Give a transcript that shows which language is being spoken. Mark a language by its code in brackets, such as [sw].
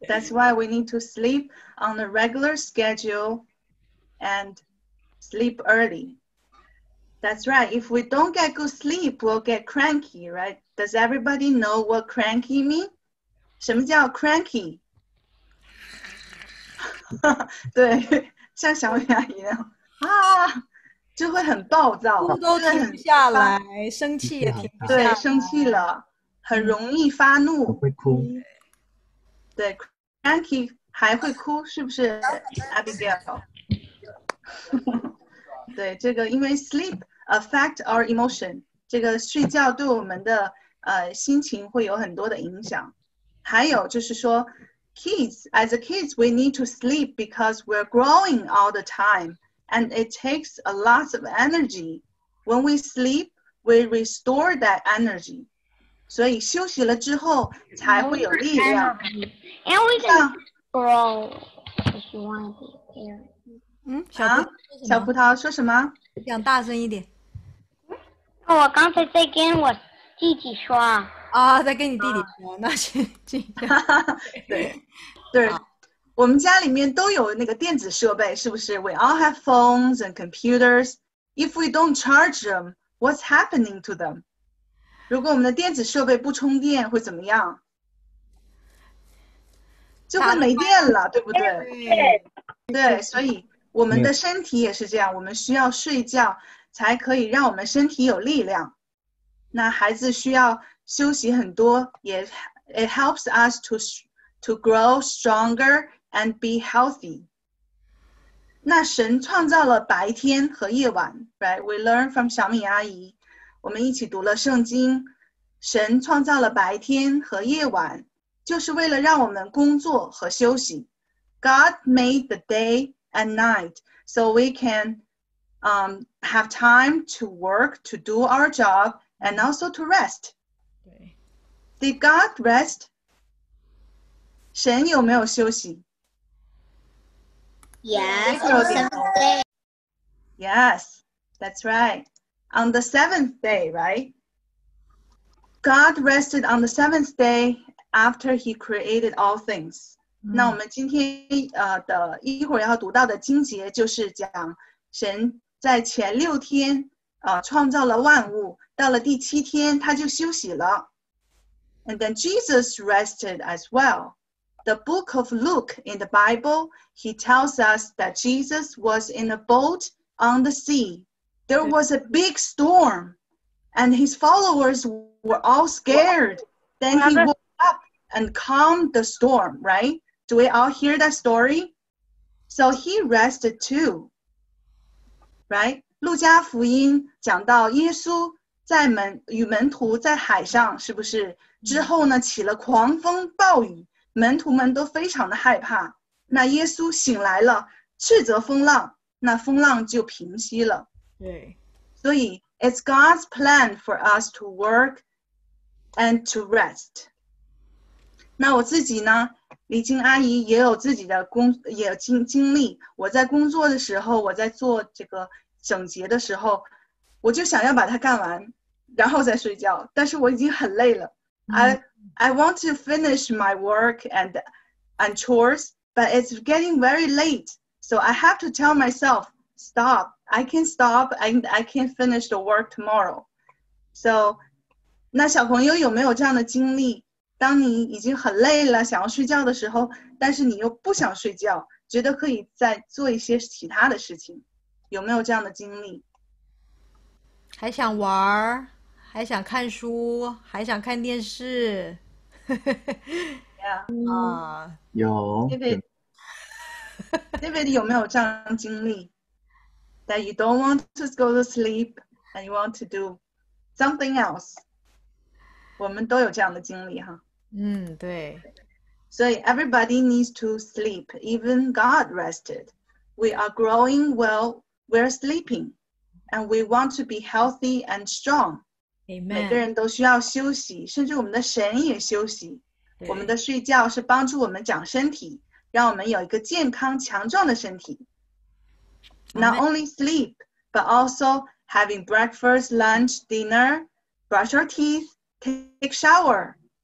[en] That's why we need to sleep on a regular schedule and sleep early. That's right. If we don't get good sleep, we'll get cranky, right? Does everybody know what cranky means? [zh] 什么叫 cranky？对，像小雅一样啊，就会很暴躁，怒都停不下来，生气也停不下来，对，生气了，很容易发怒，会哭。对 ，cranky 还会哭，是不是 ，Abigail？对，这个因为 [en] sleep affect our emotion， [zh] 这个睡觉对我们的心情会有很多的影响。还有就是说 [en] ，kids as a kids we need to sleep because we're growing all the time and it takes a lot of energy. When we sleep, we restore that energy. [zh] 所以休息了之后才会有力量。 [en] And we can grow if you want to. 嗯， [zh] 小葡萄说什么？讲大声一点。我刚才在跟我弟弟说。啊，在跟你弟弟说，那是这样。对，对，我们家里面都有那个电子设备，是不是 ？ [en] We all have phones and computers. If we don't charge them, what's happening to them? [zh] 如果我们的电子设备不充电，会怎么样？就会没电了，对不对？对。对，所以。我们的身体也是这样，我们需要睡觉才可以让我们身体有力量。那孩子需要休息很多，也 [en] it helps us to grow stronger and be healthy. [zh] 那神创造了白天和夜晚， [en] right? We learn from [zh] 小米阿姨，我们一起读了圣经。神创造了白天和夜晚，就是为了让我们工作和休息。 [en] God made the day. At night, so we can have time to work, to do our job, and also to rest. Did God rest? [zh] 神有没有休息？ [en] Yes, Yes, that's right. On the seventh day, right? God rested on the seventh day after he created all things. [zh] 那我们今天的一会儿要读到的经节就是讲神在前六天创造了万物，到了第七天他就休息了。 [en] And then Jesus rested as well. The book of Luke in the Bible, he tells us that Jesus was in a boat on the sea. There was a big storm and his followers were all scared. Then he woke up and calmed the storm, right? Do we all hear that story? So he rested too, right? [zh] 路加福音讲到耶稣在与门徒在海上，是不是？之后呢，起了狂风暴雨，门徒们都非常的害怕。那耶稣醒来了，斥责风浪，那风浪就平息了。对。所以 [en] it's God's plan for us to work and to rest. [zh] 那我自己呢？李晶阿姨也有自己的工，也有经历。我在工作的时候，我在做这个整洁的时候，我就想要把它干完，然后再睡觉。但是我已经很累了。 [en] I want to finish my work and chores, but it's getting very late. So I have to tell myself, stop. I can stop and I can finish the work tomorrow. So, [zh] 那小朋友有没有这样的经历？当你已经很累了想要睡觉的时候，但是你又不想睡觉，觉得可以再做一些其他的事情，有没有这样的经历？还想玩，还想看书，还想看电视。 [en] yeah. [zh] 有 David 有没有这样的经历？ [en] That you don't want to go to sleep and you want to do something else. [zh] 我们都有这样的经历哈。嗯，对。所以 [en] everybody needs to sleep, even God rested. We are growing well, we're sleeping, and we want to be healthy and strong. Amen. [zh] 每个人都需要休息，甚至我们的神也休息。我们的睡觉是帮助我们长身体，让我们有一个健康强壮的身体。 [en] Not only sleep, but also having breakfast, lunch, dinner, brush your teeth, take shower.